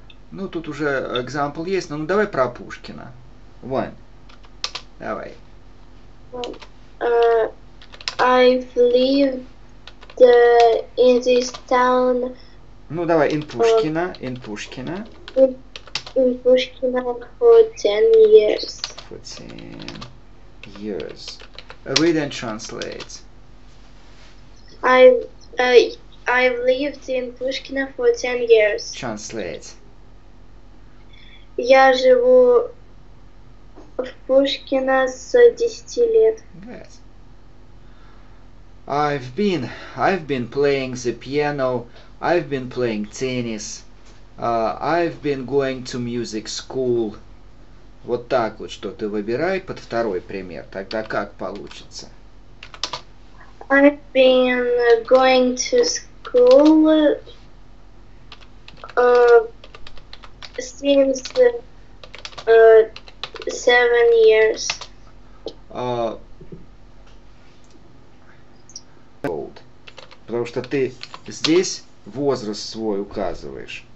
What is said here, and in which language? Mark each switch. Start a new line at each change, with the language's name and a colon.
Russian: Ну, тут уже example есть, но ну давай про Пушкина.
English: One.
Russian: Давай.
English: I've lived in this town.
Russian: Ну давай, in Пушкина, in Пушкина.
English: In Пушкина for 10 years. For 10 years. Read and translate. I've lived in Pushkina for 10 years. Translate.
Russian: Я живу в Пушкина с 10 лет.
English: Good. I've been playing the piano. I've been playing tennis. I've been going to music school.
Russian: Вот так вот что-то выбирай под второй пример. Тогда как получится?
English: I've been going to school since 7 years. Old.
Russian: Потому что ты здесь возраст свой указываешь.